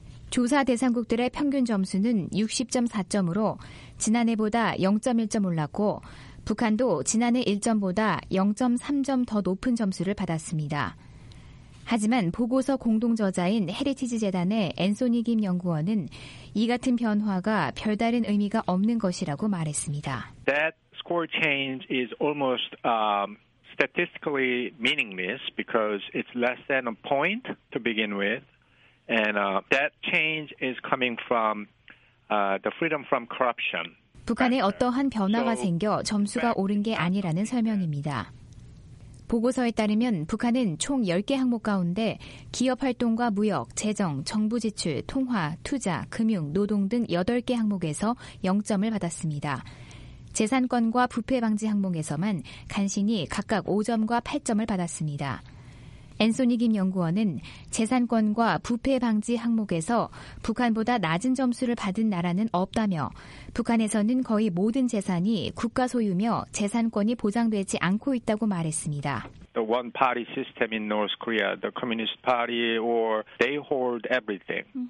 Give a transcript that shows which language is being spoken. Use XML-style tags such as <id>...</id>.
<ko>조사 대상국들의 평균 점수는 60.4점으로 지난해보다 0.1점 올랐고 북한도 지난해 1점보다 0.3점 더 높은 점수를 받았습니다. 하지만 보고서 공동저자인 헤리티지 재단의 앤소니 김 연구원은 이 같은 변화가 별다른 의미가 없는 것이라고 말했습니다.</ko> <en>That score change is almost statistically meaningless because it's less than a point to begin with. And that change is coming from the freedom from corruption.</en> <ko>북한에 어떠한 변화가 생겨 점수가 오른 게 아니라는 설명입니다. 보고서에 따르면 북한은 총 10개 항목 가운데 기업 활동과 무역, 재정, 정부 지출, 통화, 투자, 금융, 노동 등 8개 항목에서 0점을 받았습니다. 재산권과 부패 방지 항목에서만 간신히 각각 5점과 8점을 받았습니다. 앤소니 김 연구원은 재산권과 부패 방지 항목에서 북한보다 낮은 점수를 받은 나라는 없다며 북한에서는 거의 모든 재산이 국가 소유며 재산권이 보장되지 않고 있다고 말했습니다.</ko> <en>The one party system in North Korea, the Communist Party, or they hold everything.</en>